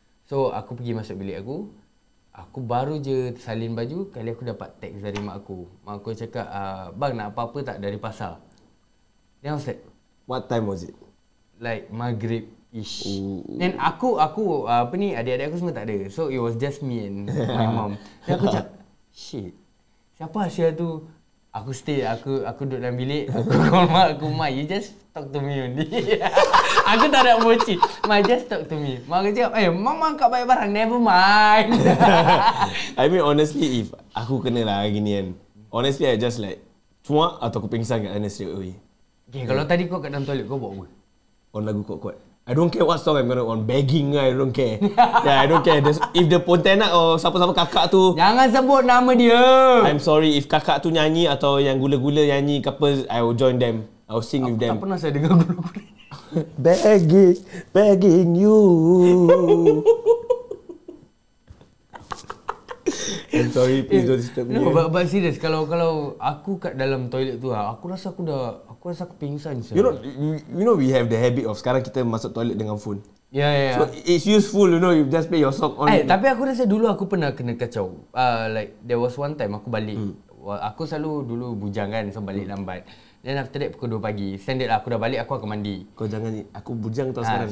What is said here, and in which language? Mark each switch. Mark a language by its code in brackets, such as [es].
[ms] So, aku pergi masuk bilik aku. Aku baru je salin baju, kali aku dapat teks dari mak aku. Mak aku cakap, bang nak apa-apa tak dari pasar? [en] Then I was like, what time was it? Like, maghrib-ish. [ms] Then aku, adik-adik aku semua tak ada. [en] So, it was just me and my mom. [ms] Then aku cakap, shit. Siapa Asya tu? Aku stay, aku duduk dalam bilik, aku call mak aku, mak, [en] you just talk to me only. [ms] Aku tak nak bocik, mak, [en] just talk to me. [ms] Mak aku cakap, mama angkat banyak barang, [en] never mind. I mean, honestly, if [ms] aku kena lah gini kan, [en] honestly, I just like, [ms] cuak atau aku pingsan kat sana [en] straight away. [ms] Okay, kalau tadi kau kat dalam toilet, kau buat apa? On lagu kuat-kuat. [en] I don't care what song I'm gonna on. Begging lah, I don't care. Yeah, I don't care. There's, if the pontianak or [ms] siapa-siapa kakak tu... Jangan sebut nama dia! [en] I'm sorry, if [ms] kakak tu nyanyi atau yang gula-gula nyanyi couple, [en] I will join them. I will sing [ms] aku [en] with them. [ms] Aku tak pernah saya dengar gula-gula. [en] Begging you. I'm sorry, please don't disturb me. No, but serious. [ms] Kalau aku kat dalam toilet tu, aku rasa aku dah... Aku rasa aku pingsan. [en] You know we have the habit of [ms] sekarang kita masuk toilet dengan phone. [en] Yeah. So it's useful, you know, you just play your song on. [ms] Tapi aku rasa dulu aku pernah kena kacau. [en] Like there was one time [ms] aku balik. Aku selalu dulu bujang kan, so balik lambat. [en] Then after that [ms] pukul 2 pagi, standard lah aku dah balik, aku akan mandi. Kau jangan, aku bujang tau sekarang.